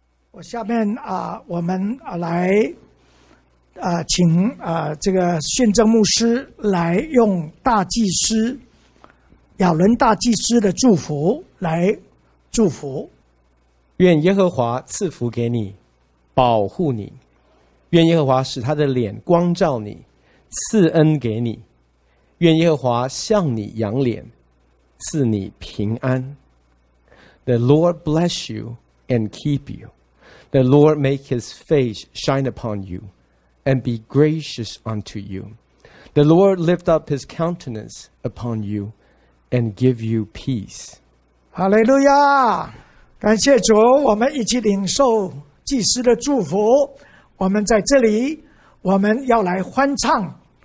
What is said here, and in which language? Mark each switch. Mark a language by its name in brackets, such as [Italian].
[Chinese] 我下面我们来请这个宣证牧师来用大祭司亚伦大祭司的祝福来祝福。愿耶和华赐福给你，保护你，愿耶和华使他的脸光照你，赐恩给你，愿耶和华向你扬脸，赐你平安。 [English] The Lord bless you and keep you. The Lord make his face shine upon you. And be gracious unto you. The Lord lift up his countenance upon you and give you peace. Hallelujah! [Chinese] 感谢主，我们一起领受祭司的祝福。我们在这里，我们要来欢唱。